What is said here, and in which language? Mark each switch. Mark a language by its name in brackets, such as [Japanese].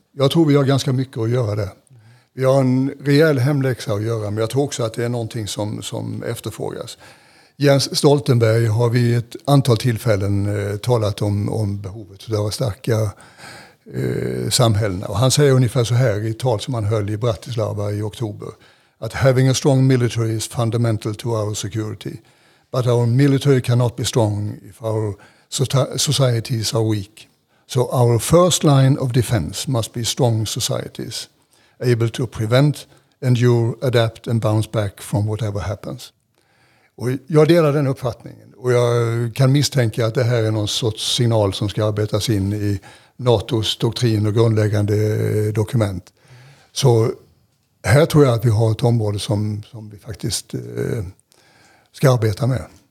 [Swedish] Jag tror vi har ganska mycket att göra det. Vi har en rejäl hemläxa att göra, men jag tror också att det är någonting som efterfrågas. Jens Stoltenberg har vi ett antal tillfällen talat om behovet av att stärka samhällen. Och han säger ungefär så här i tal som han höll i Bratislava i oktober. Att [English] having a strong military is fundamental to our security. But our military cannot be strong if our societies are weak. So our first line of defense must be strong societies, able to prevent, endure, adapt and bounce back from whatever happens. [Swedish] Och jag delar den uppfattningen och jag kan misstänka att det här är någon sorts signal som ska arbetas in i NATOs doktrin och grundläggande dokument. Så här tror jag att vi har ett område som vi faktiskt ska arbeta med.